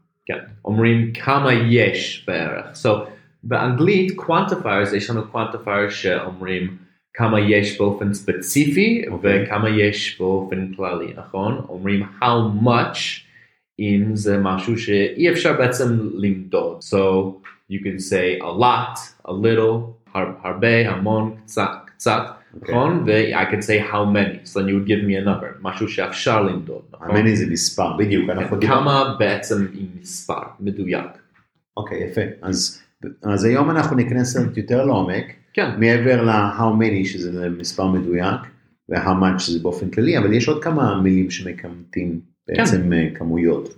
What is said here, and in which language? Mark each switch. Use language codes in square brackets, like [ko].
[he] כן, אומרים כמה יש בערך. So, באנגלית, quantifiers, יש לנו quantifiers שאומרים כמה יש באופן ספציפי, okay. וכמה יש באופן כללי, נכון? אומרים how much, אם זה משהו שאי אפשר בעצם למדוד. [en] So, you can say a lot, a little, [he] הרבה, המון, קצת. נכון? [en] I can say how many. So you would give me a number. [he] משהו שאפשר למדוד. How many זה מספר, בדיוק. כמה בעצם עם מספר, מדויק. אוקיי, יפה. אז היום אנחנו נכנס לנו יותר לעומק. כן. מעבר ל-how many, שזה מספר מדויק, ו-how much זה באופן כללי, אבל יש עוד כמה מילים שמקמתים בעצם כמויות.